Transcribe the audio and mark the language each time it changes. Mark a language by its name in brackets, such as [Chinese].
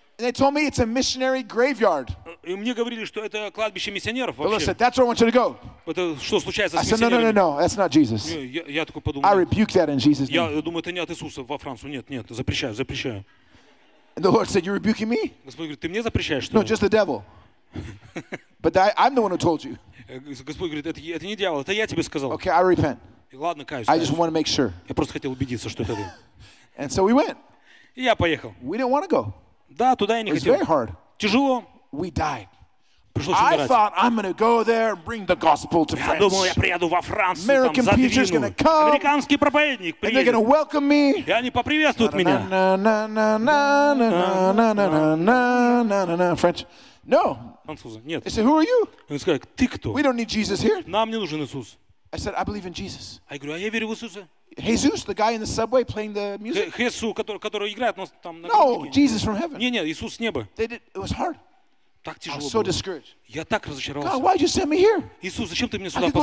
[English] And they told me it's a missionary graveyard. [Russian] И мне говорили, что это кладбище миссионеров вообще. [English] But listen, that's where I want you to go. [Russian] Это что случается [English] I [Russian] с миссионерами? [English] I said, no, that's not Jesus. [Russian] Я такой подумал. [English] I rebuke that in Jesus' name. [Russian] Я думаю, это не от Иисуса во Францию. Нет, запрещаю. [English] And the Lord said, you're rebuking me? [Russian] Господь говорит, ты мне запрещаешь, что ли? [English] No, just the devil. But I'm the one who told you. [Russian] Господь говорит, это не дьявол, это я тебе сказал. [English] Okay, I repent. [Russian] Ладно, каюсь. [English] I just want to make sure. [Russian] Я просто хотел убедиться, что это ты. [English] And so we went. [Russian] И я поехал. [English] We didn't want to go. [Russian] Да, туда я не хотел. [English] It was very hard. [Russian] Тяжело. [English] We died. [Russian] Пришлось умирать. [English] I thought I'm going to go there and bring the gospel to France. [Russian] Я думал, я приеду во Францию. [English] American preacher's going to come. [Russian] Американский проповедник приедет. [English] And they're going to welcome me. [Russian] И они поприветствуют меня. [English] Na na na na na na na na na na na na na French. No. [Russian] Француза. Нет. [English] They said, who are you? [Russian] Они сказали, ты кто? [English] We don't need Jesus here. [Russian] Нам не нужен Иисус. [English] I said, I believe in Jesus. [Russian] Я говорю, а я верю в Иисуса. [English] Jesus, the guy in the subway playing the music? [Russian] Хесу, который играет нас там на [English] No, Jesus from heaven. [Russian] Не, Иисус с неба. [English] They did, it was hard. [Russian] Так тяжело. [English] I was so discouraged. [Russian] Я так разочаровался. [English] God, why did you send me here? [Russian] Иисус, зачем ты меня сюда послал?